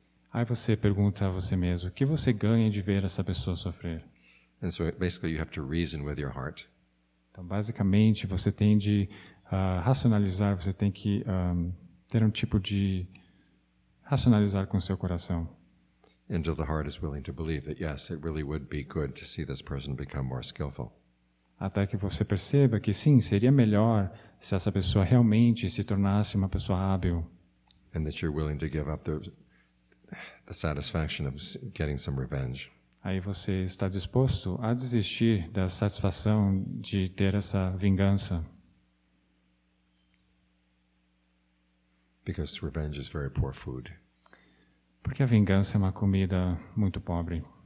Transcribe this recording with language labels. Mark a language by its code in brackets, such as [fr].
[pt] Aí você pergunta a você mesmo, o que você ganha de ver essa pessoa sofrer? [en] And so basically you have to reason with your heart. [pt] Então, basicamente, você tem de racionalizar, você tem que ter um tipo de racionalizar com o seu coração. [en] Until the heart is willing to believe that, yes, it really would be good to see this person become more skillful. [pt] Até que você perceba que sim, seria melhor se essa pessoa realmente se tornasse uma pessoa hábil. [en] And that you're willing to give up the satisfaction of getting some revenge. [pt] Aí você está disposto a desistir da satisfação de ter essa vingança. [en] Because revenge is very poor food. [pt] Porque a vingança é uma comida muito pobre.